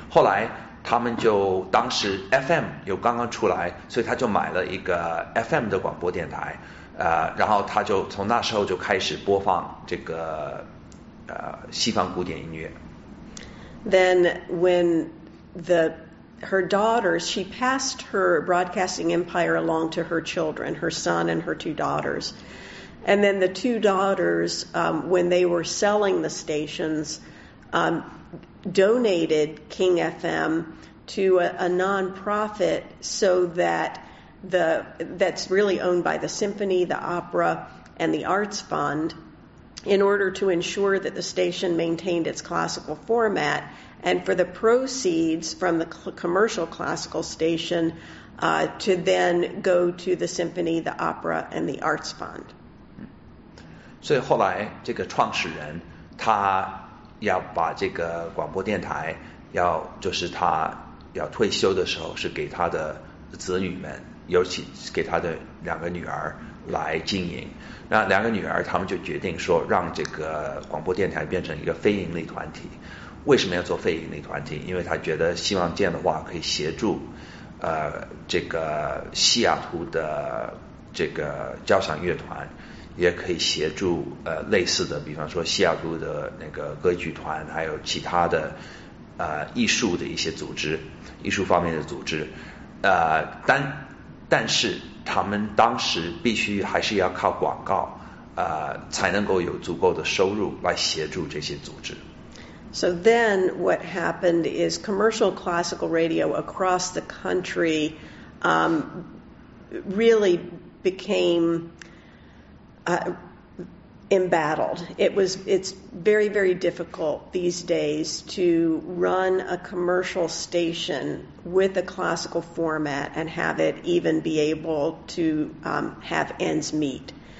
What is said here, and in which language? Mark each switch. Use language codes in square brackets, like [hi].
[zh] 后来他们就当时 FM 又刚刚出来，所以她就买了一个 FM 的广播电台，然后她就从那时候就开始播放这个西方古典音乐。 [en] Then when her daughters, she passed her broadcasting empire along to her children, her son and her two daughters. And then the two daughters, when they were selling the stations, donated King FM to a nonprofit so that that's really owned by the symphony, the opera, and the arts fund in order to ensure that the station maintained its classical format. And for the proceeds from the commercial classical station to then go to the symphony, the opera, and the arts fund. [zh] 所以后来这个创始人他要把这个广播电台要就是他要退休的时候是给他的子女们，尤其是给他的两个女儿来经营。那两个女儿他们就决定说让这个广播电台变成一个非盈利团体。为什么要做非盈利团体？因为他觉得希望这样的话可以协助这个西雅图的这个交响乐团，也可以协助类似的，比方说西雅图的那个歌剧团，还有其他的艺术的一些组织，艺术方面的组织。但是他们当时必须还是要靠广告才能够有足够的收入来协助这些组织。 [en] So then what happened is commercial classical radio across the country really became embattled. It's very, very difficult these days to run a commercial station with a classical format and have it even be able to have ends meet.